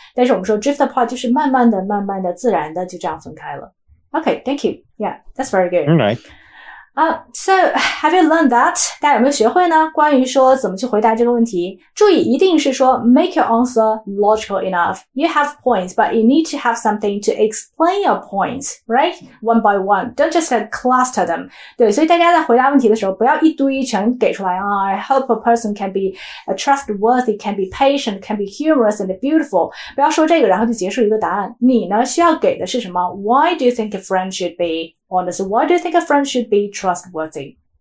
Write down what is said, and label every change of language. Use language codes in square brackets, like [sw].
[zh] 但是我们说 [en] drift apart [zh] 就是慢慢的、慢慢的、自然的就这样分开了。 [en] Okay, thank you. Yeah, that's very good. All right. So have you learned that? [zh] 大家有没有学会呢？关于说怎么去回答这个问题，注意一定是说 [en] make your answer logical enough. You have points, but you need to have something to explain your points, right? One by one. Don't just cluster them. [zh] 对，所以大家在回答问题的时候，不要一堆一全给出来啊。 [en] I hope a person can be trustworthy, can be patient, can be humorous and beautiful. [zh] 不要说这个，然后就结束一个答案。你呢，需要给的是什么 [en] ？Why do you think a friend should be? Honestly, why do you think a friend should be trustworthy?